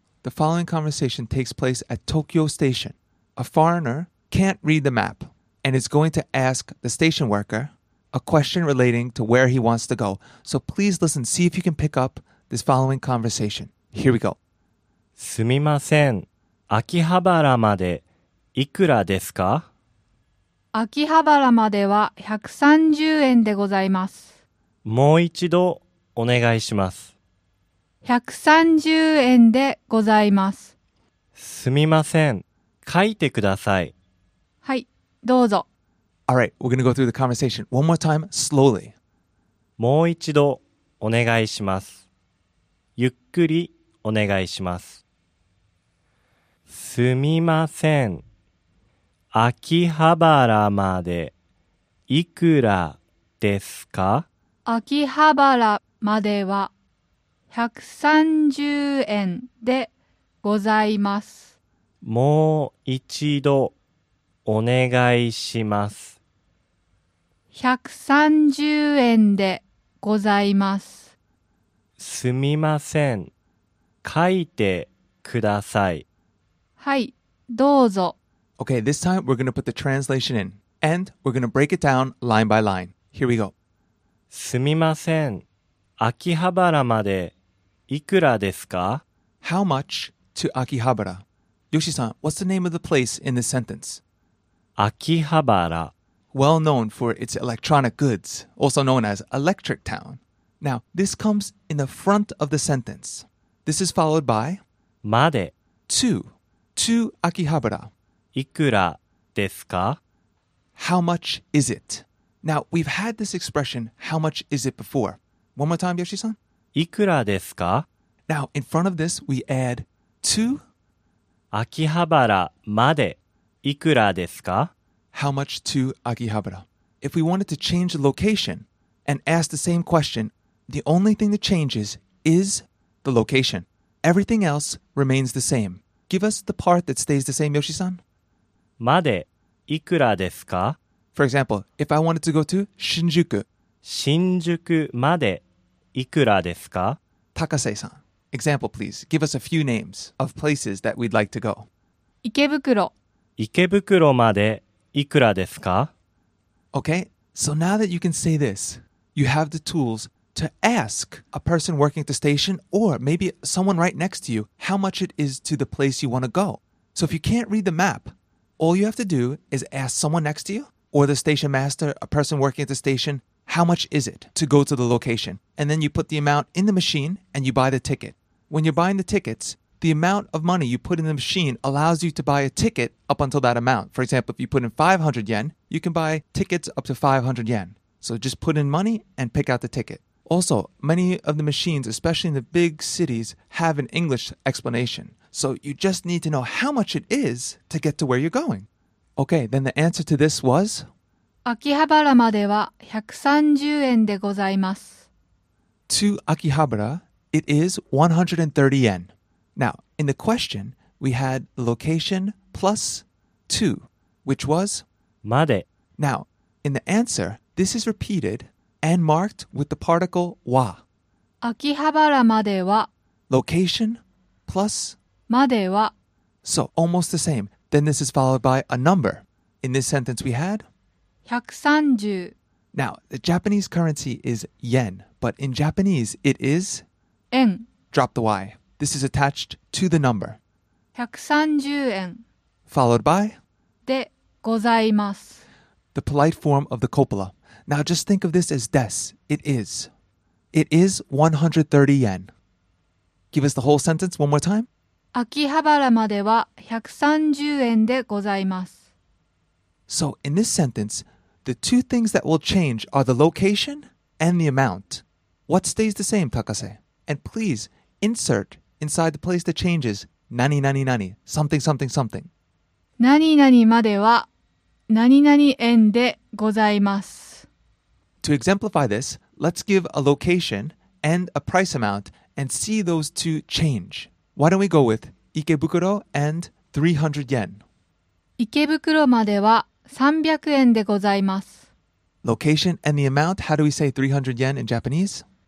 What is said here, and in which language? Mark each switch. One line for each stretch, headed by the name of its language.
English: The following conversation takes place at Tokyo Station. A foreigner can't read the map and is going to ask the station worker a question relating to where he wants to go. So please listen, see if you can pick up this following conversation. Here we go.
Japanese: すみません。秋葉原までいくらですか？秋葉原までは130円でございます。もう一度お願いします。 130円でございます。すみません。書いてください。はい、どうぞ。
English: All right, we're gonna go through the conversation one more time, slowly.
Japanese: もう一度お願いします。ゆっくりお願いします。すみません。秋葉原までいくらですか？秋葉原までは130円でございます。もう一度お願いします。 130円でございます。すみません。書いてください。はい、どうぞ。
English: Okay, this time we're going to put the translation in. And we're going to break it down line by line. Here we go.
Japanese: すみません。秋葉原までいくらですか？
English: How much to Akihabara? Yoshi-san, what's the name of the place in this sentence?
Japanese: 秋葉原。
English: Well known for its electronic goods, also known as Electric Town. Now, this comes in the front of the sentence. This is followed by
Japanese: まで
English: to Akihabara.
Japanese: いくらですか?
English: How much is it? Now, we've had this expression, how much is it, before. One more time, Yoshi-san.
Japanese: いくらですか?
English: Now, in front of this, we add to
Japanese: 秋葉原までいくらですか?
English: How much to Akihabara? If we wanted to change the location and ask the same question, the only thing that changes is the location. Everything else remains the same. Give us the part that stays the same, Yoshi-san.
Japanese: までいくらですか?
English: For example, if I wanted to go to 新宿.
Japanese: 新宿までいくらですか?
English: Takase-san. Example, please. Give us a few names of places that we'd like to go.
Japanese: 池袋. 池袋までいくらですか?
English: Okay, so now that you can say this, you have the tools to ask a person working at the station or maybe someone right next to you how much it is to the place you want to go. So if you can't read the map, all you have to do is ask someone next to you or the station master, a person working at the station, how much is it to go to the location? And then you put the amount in the machine and you buy the ticket. When you're buying the tickets, the amount of money you put in the machine allows you to buy a ticket up until that amount. For example, if you put in 500 yen, you can buy tickets up to 500 yen. So just put in money and pick out the ticket. Also, many of the machines, especially in the big cities, have an English explanation. So you just need to know how much it is to get to where you're going. Okay, then the answer to this was?
Japanese: 秋葉原までは130円でございます。
English: To Akihabara, it is 130 yen. Now, in the question, we had location plus 2, which was?
Japanese: まで。
English: Now, in the answer, this is repeated and marked with the particle wa.
Japanese: 秋葉原までは
English: location plus
Japanese: までは
English: So almost the same. Then this is followed by a number. In this sentence we had 130. Now, the Japanese currency is yen, but in Japanese it is
Japanese: 円.
English: Drop the y. This is attached to the number.
Japanese: 130円
English: followed by
Japanese: でございます.
English: The polite form of the copula. Now just think of this as des. It is. It is 130 yen. Give us the whole sentence one more time.
Japanese: 秋葉原までは130円でございます。
English: So in this sentence, the two things that will change are the location and the amount. What stays the same, Takase? And please insert inside the place that changes
Japanese: 何々々
English: something something something.
Japanese: 何々までは何々円でございます。
English: To exemplify this, let's give a location and a price amount and see those two change. Why don't we go with Ikebukuro and 300 yen?
Japanese: Ikebukuro までは300円でございます。
English: Location and the amount, how do we say 300 yen in Japanese?